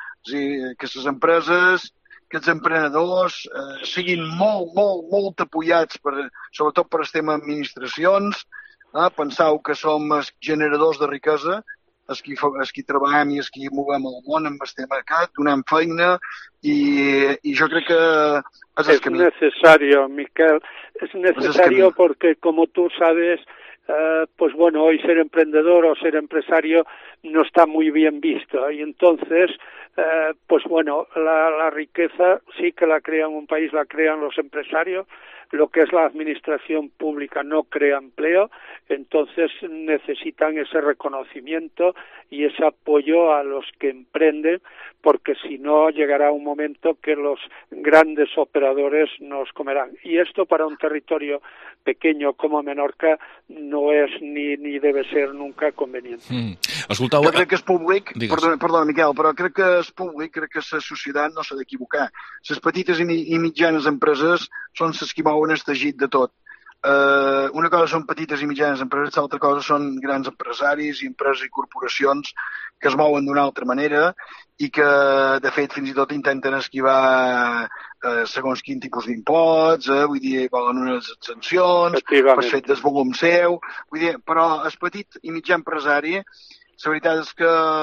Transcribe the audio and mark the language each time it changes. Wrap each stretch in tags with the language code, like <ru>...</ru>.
<ca>És a dir, que les empreses, que els emprenedors siguin molt, molt, molt apoyats, sobretot per el tema d'administracions. Penseu que som els generadors de riquesa, els qui treballem i els qui movem el món amb el tema aquest, donem feina, i jo crec que és</ca> <es>necessario, Miquel. És necessario perquè, com tu sabes, pues bueno, hoy ser emprendedor o ser empresario no está muy bien visto, y entonces, pues bueno, la riqueza sí que la crean un país, la crean los empresarios, lo que es la administración pública no crea empleo, entonces necesitan ese reconocimiento y ese apoyo a los que emprenden, porque si no llegará un momento que los grandes operadores nos comerán. Y esto para un territorio pequeño como Menorca no es ni debe ser nunca conveniente.</es> <ca>Escoltau, jo crec que és públic, perdona Miquel, però crec que és públic, crec que la societat no s'ha d'equivocar. Les petites i mitjanes empreses són les que mouen el teixit de tot. Una cosa són petites i mitjanes empreses, l'altra cosa són grans empresaris i empreses i corporacions que es mouen d'una altra manera i que, de fet, fins i tot intenten esquivar segons quin tipus d'impots, vull dir, volen unes exempcions, per fet del volum seu, vull dir, però el petit i mitjà empresari, la veritat és que</ca>